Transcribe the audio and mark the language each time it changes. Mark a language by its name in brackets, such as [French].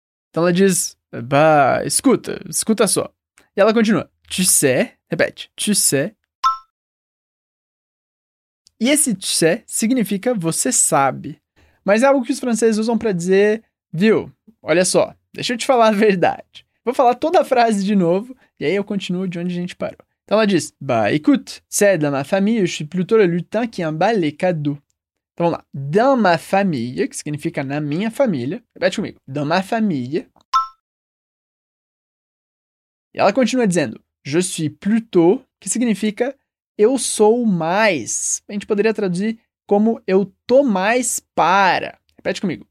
[Portuguese] Então ela diz, bah, escuta, escuta só. E ela continua, [French] tu sais, [Portuguese] repete, tu sais. E esse [French] tu sais [Portuguese] significa você sabe. Mas é algo que os franceses usam pra dizer, viu, olha só, deixa eu te falar a verdade. Vou falar toda a frase de novo, e aí eu continuo de onde a gente parou. Então ela diz, [French] bah, écoute, c'est dans ma famille, je suis plutôt le lutin qui emballe les cadeaux. [Portuguese] Então, vamos lá. [French] Dans ma famille, [Portuguese] que significa na minha família. Repete comigo. [French] Dans ma famille. [Portuguese] E ela continua dizendo, [French] je suis plutôt, [Portuguese] que significa eu sou mais. A gente poderia traduzir como eu tô mais para. Repete comigo.